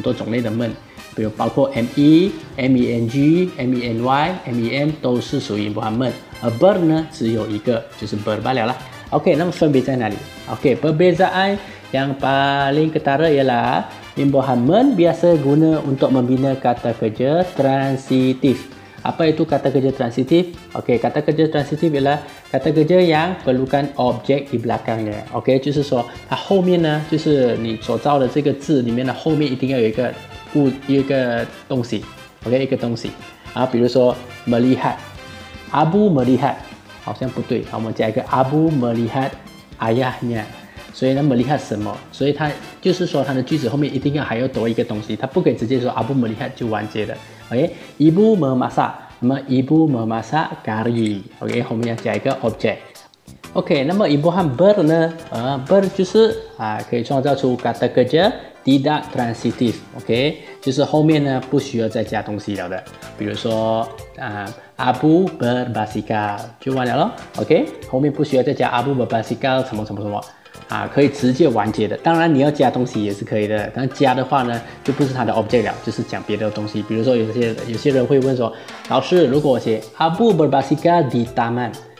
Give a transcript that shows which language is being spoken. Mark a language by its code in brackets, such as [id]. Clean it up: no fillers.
[zh] 类的 men比如包括 me, meng, meny, mem 都是属于尹伯翰 men 而 ber 呢只有一个就是 ber 罢了啦OK, 那么分别在哪里 ？OK, 分别在 [ms] yang paling ketara ialah imbuhan men biasa guna untuk membina kata kerja transitif. Apa itu kata kerja transitif? OK, kata kerja transitif ialah kata kerja yang perlukan objek di belakangnya. [zh] OK, 就是说它后面呢，就是你所造的这个字里面的后面一定要有一个物，一个东西。 OK, 一个东西啊，比如说 melihat, [ms] Abu melihat. [zh] 好像不对，好，我们加一个 [ms] Abu melihat ayahnya， [zh] 所以呢，melihat 什么？所以他就是说，他的句子后面一定要还要多一个东西，他不可以直接说 Abu melihat 就完结了。 OK， Ibu memasak， 那么 [ms] Ibu memasak kari， [zh] OK， 后面要加一个 object。 OK， 那么 Ibu 和 ber 呢？ ber 就是可以创造出 kata kerja tidak transitif， OK， 就是后面呢不需要再加东西了的，比如说Abu berbasikal 就完了咯 OK 后面不需要再加 Abu berbasikal 什么什么什么啊，可以直接完结的当然你要加东西也是可以的但加的话呢就不是它的 object 了就是讲别的东西比如说有些人会问说老师如果我写 [ms] Abu berbasikal di taman